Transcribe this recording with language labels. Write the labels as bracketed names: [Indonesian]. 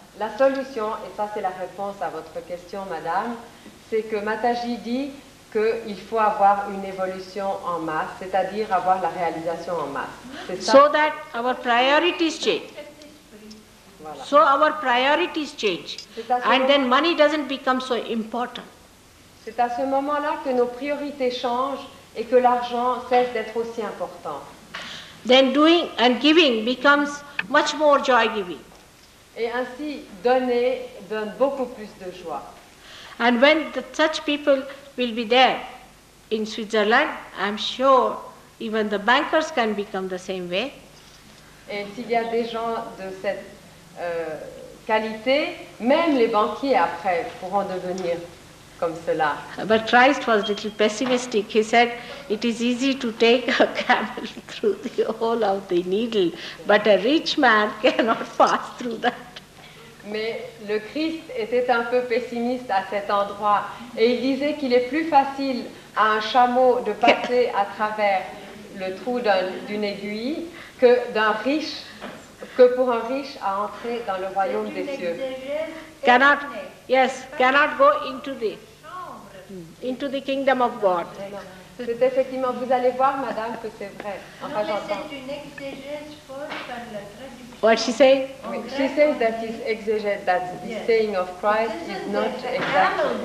[French] La solution, et ça c'est la réponse à votre question, madame, c'est que Mataji dit qu'il faut avoir une évolution en masse, c'est-à-dire avoir la réalisation en masse. [English] So that our priorities change. [French] Voilà. [English] So our priorities change. And then money doesn't become so important. [French] C'est à ce moment-là que nos priorités changent et que l'argent cesse d'être aussi important. [English] Then doing and giving becomes much more joy-giving. [French] Et ainsi, donner donne beaucoup plus de joie. [English] And when such people will be there in Switzerland, I'm sure even the bankers can become the same way. [French] Et s'il y a des gens de cette qualité, même les banquiers après pourront devenir comme cela. [English] But Christ was a little pessimistic. He said, it is easy to take a camel through the hole of the needle, but a rich man cannot pass through that. [French] Mais le Christ était un peu pessimiste à cet endroit et il disait qu'il est plus facile à un chameau de passer à travers le trou d'une aiguille que d'un riche, que pour un riche à entrer dans le royaume des cieux. [English] Cannot go into the kingdom of God. [French] C'est effectivement, vous allez voir, madame, que c'est vrai. Non, mais c'est une exégèse faute par la traduction. [English] What she say? She says that his exégèse, that the saying of Christ is not exact.